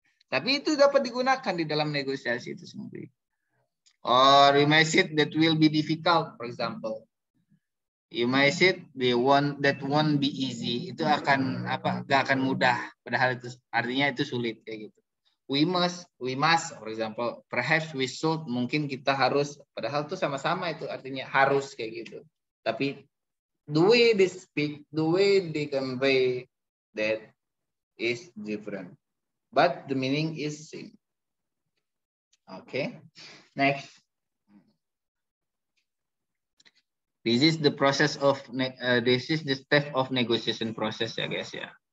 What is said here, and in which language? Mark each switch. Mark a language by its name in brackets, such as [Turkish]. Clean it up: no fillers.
[Indonesian] Tapi itu dapat digunakan di dalam negosiasi itu sendiri. [English] Or you may say that will be difficult, for example. You may say that won't be easy. [Indonesian] Itu akan apa? Gak akan mudah. Padahal itu artinya itu sulit kayak gitu. [English] We must, for example. Perhaps we should. [Indonesian] Mungkin kita harus. Padahal itu sama-sama itu artinya harus kayak gitu. [English] Tapi the way they speak, the way they convey that is different. But the meaning is same. Okay. Next. This is the process of this is the step of negotiation process, ya guys ya.